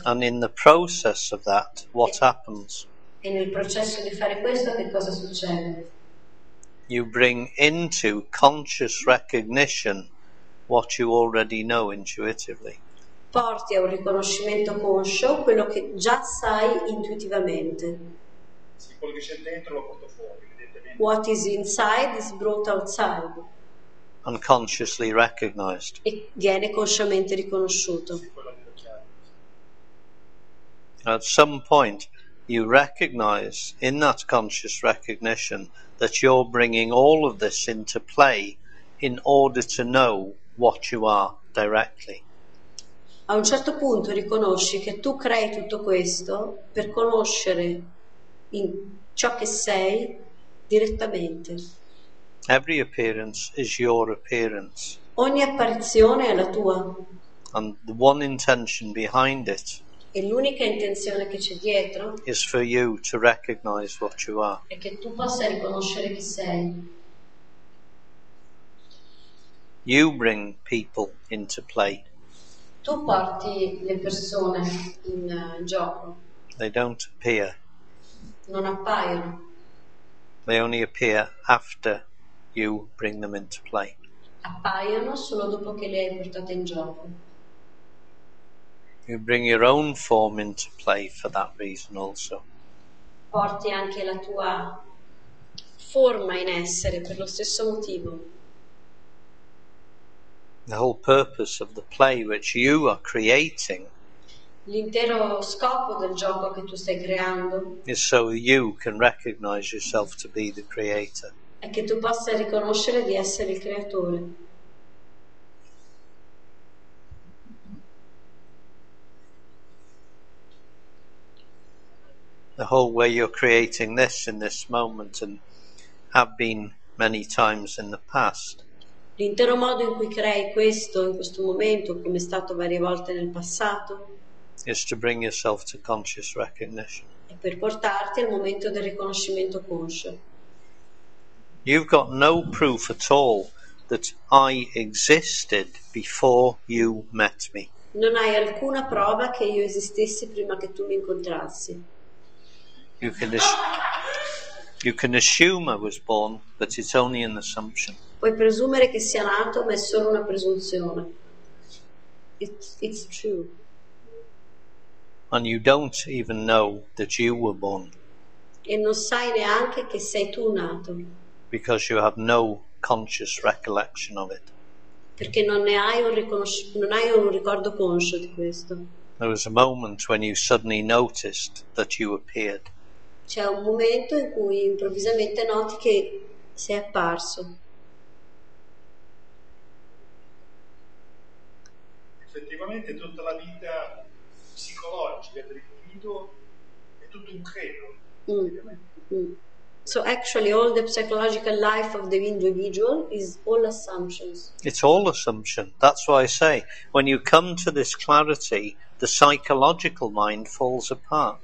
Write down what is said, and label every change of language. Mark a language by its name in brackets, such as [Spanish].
[English] And in the process of that, what happens? [Italian] E nel processo di fare questo, che cosa succede? [English] You bring into conscious recognition what you already know intuitively. [Italian] Porti a un riconoscimento conscio quello che già sai intuitivamente. Sì, quello che c'è dentro lo porto fuori, evidentemente. [English] What is inside is brought outside. Unconsciously recognized. [Italian] E viene consciamente riconosciuto. [English] At some point you recognize in that conscious recognition that you're bringing all of this into play in order to know what you are directly. [Italian] A un certo punto riconosci che tu crei tutto questo per conoscere in ciò che sei direttamente. [English] Every appearance is your appearance. [Italian] Ogni apparizione è la tua. [English] And the one intention behind it. [Italian] E l'unica intenzione che c'è dietro [English] is for you to recognize what you are. [Italian] È che tu possa riconoscere chi sei. [English] You bring people into play. [Italian] Tu porti le persone in gioco. [English] They don't appear. [Italian] Non appaiono. [English] They only appear after you bring them into play. [Italian] Appaiono solo dopo che le hai portate in gioco. [English] You bring your own form into play for that reason also. [Italian] Porti anche la tua forma in essere per lo stesso motivo. [English] The whole purpose of the play which you are creating. [Italian] L'intero scopo del gioco che tu stai creando. [English] Is so you can recognize yourself to be the creator. [Italian] È che tu possa riconoscere di essere il creatore. [English] The whole way you're creating this in this moment and have been many times in the past. [Italian] L'intero modo in cui crei questo in questo momento, come è stato varie volte nel passato, [English] is to bring yourself to conscious recognition. [Italian] È per portarti al momento del riconoscimento conscio. [English] You've got no proof at all that I existed before you met me. [Italian] Non hai alcuna prova che io esistessi prima che tu mi incontrassi. [English] You can assume I was born, but it's only an assumption. [Italian] Puoi presumere che sia nato, ma è solo una presunzione. [English] It's true. And you don't even know that you were born. [Italian] E non sai neanche che sei tu nato. [English] Because you have no conscious recollection of it. [Italian] Perché non ne hai un ricordo conscio di questo. [English] There was a moment when you suddenly noticed that you appeared. [Italian] C'è un momento in cui improvvisamente noti che sei apparso. Effettivamente tutta la vita psicologica dell'individuo è tutto un credo. [English] So actually all the psychological life of the individual is all assumptions. It's all assumption. That's why I say when you come to this clarity the psychological mind falls apart.